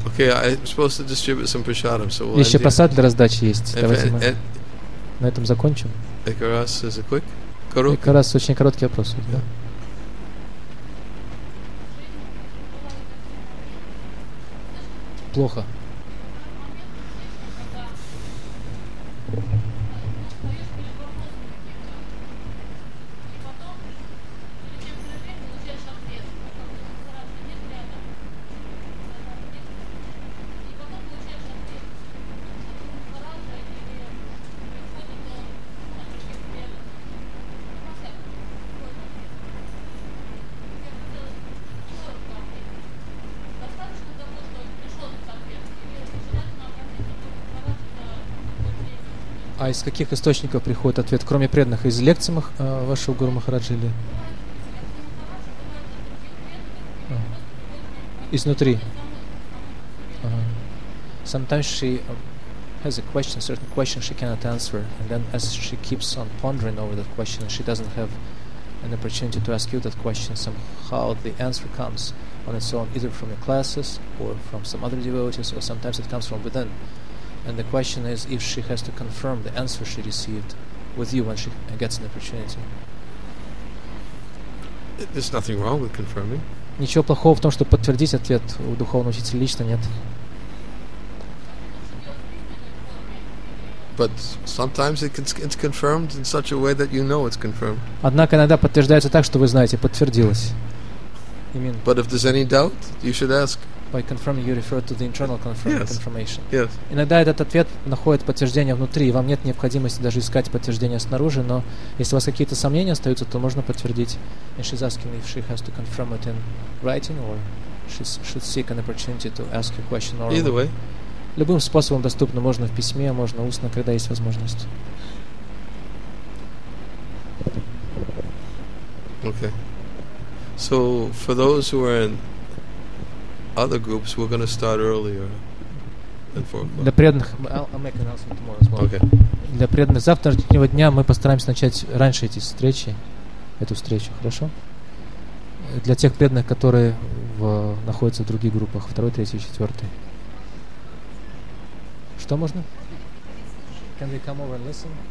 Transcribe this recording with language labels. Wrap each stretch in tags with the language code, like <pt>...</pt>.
<en>Okay, I'm supposed to distribute some prasadam, so we'll</en> <ru>еще просад для раздачи есть. Давайте мы на этом закончим.</ru> <en>Икарас, is it quick?</en> <ru>Короткий. Икарас, очень короткий вопрос.</ru> <en>Yeah.</en> <ru>Да? Плохо. А из каких источников приходит ответ, кроме преданных? Из лекций вашего Гуру Махараджа или... Изнутри.</ru> <en>Sometimes she has a question, certain question she cannot answer, and then as she keeps on pondering over that question, she doesn't have an opportunity to ask you that question. Somehow the answer comes on its own, either from your classes or from some other devotees, or sometimes it comes from within. And the question is if she has to confirm the answer she received with you when she gets an opportunity. There's nothing wrong with confirming.</en> <ru>Ничего плохого в том, чтобы подтвердить ответ у духовного учителя лично нет.</ru> <en>But sometimes it's confirmed in such a way that you know it's confirmed.</en> <ru>Однако иногда подтверждается так, что вы знаете, подтвердилось.</ru> <en>I mean, but if there's any doubt, you should ask. By confirming, you refer to the internal confirmation. Yes.</en> <ru>Иногда этот ответ находит подтверждение внутри, и вам нет необходимости даже искать подтверждение снаружи, но если у вас какие-то сомнения остаются, то можно подтвердить.</ru> <en>And she's asking if she has to confirm it in writing, or she should seek an opportunity to ask a question orally. Either way.</en> <ru>Любым способом доступно, можно в письме, можно устно, когда есть возможность.</ru> <en>Okay. So, for those who are in other groups, we're going to start earlier than 4 o'clock.</en> <ru>Для преданных,</ru> <en>I'll make an announcement tomorrow as well. Okay.</en> <ru>Для преданных завтрашнего дня мы постараемся начать раньше эти встречи, эту встречу, хорошо? Для тех преданных, которые находятся в других группах, 2, 3, 4. Что можно?</ru> <en>Can we come over and listen?</en>